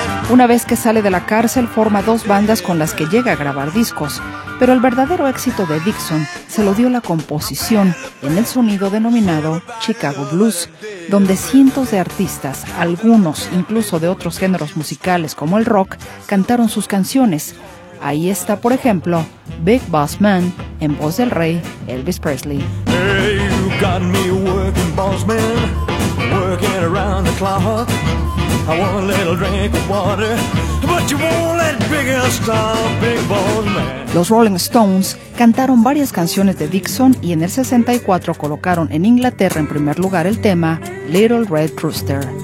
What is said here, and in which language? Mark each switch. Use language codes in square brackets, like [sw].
[es] Una vez que sale de la cárcel, forma dos bandas con las que llega a grabar discos, pero el verdadero éxito de Dixon se lo dio la composición en el sonido denominado Chicago Blues, donde cientos de artistas, algunos incluso de otros géneros musicales como el rock, cantaron sus canciones. Ahí está, por ejemplo, Big Boss Man en voz del rey Elvis Presley. [en] Hey, you got me working, boss man, working around the clock. I want a little drink of water, but you won't let big ass stop, big boss man. [es] Los Rolling Stones cantaron varias canciones de Dixon y en el 64 colocaron en Inglaterra en primer lugar el tema Little Red Rooster.